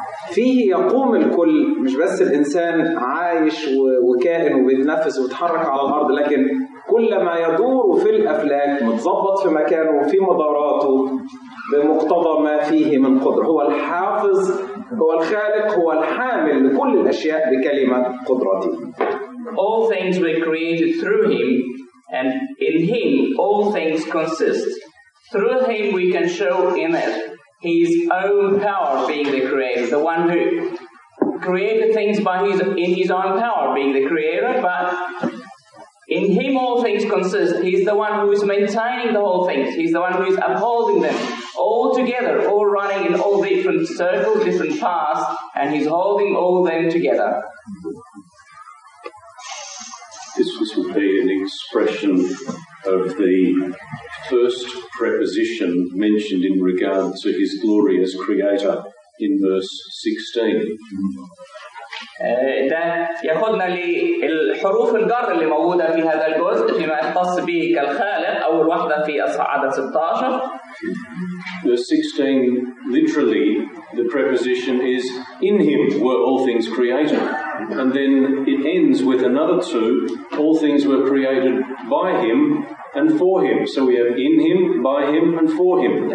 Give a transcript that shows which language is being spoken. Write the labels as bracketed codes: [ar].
[ar] فيه يقوم الكل مش بس الإنسان عايش وكائن وبيتنفس وبيتحرك على الأرض لكن كل ما يدور في الأفلاك متظبط في مكانه وفي مداراته بمقتضى ما فيه من قدرة. هو الحافظ هو الخالق هو الحامل لكل الأشياء بكلمة قدرته. [en] All things were created through him and in him all things consist. Through him we can show in it His own power being the creator, the one who created things by his in his own power being the creator, but in him all things consist. He's the one who is maintaining the whole things. He's the one who is upholding them all together, all running in all different circles, different paths, and he's holding all them together. This would be an expression of the first preposition mentioned in regard to his glory as creator in verse 16. [ar] ده ياخدنا للحروف الجر اللي موجودة في هذا الجزء فيما يختص به كالخالق أول واحدة في عدد 16. [en] Verse 16, literally, the preposition is in him were all things created. And then it ends with another two, all things were created by him and for him. So we have in him, by him, and for him.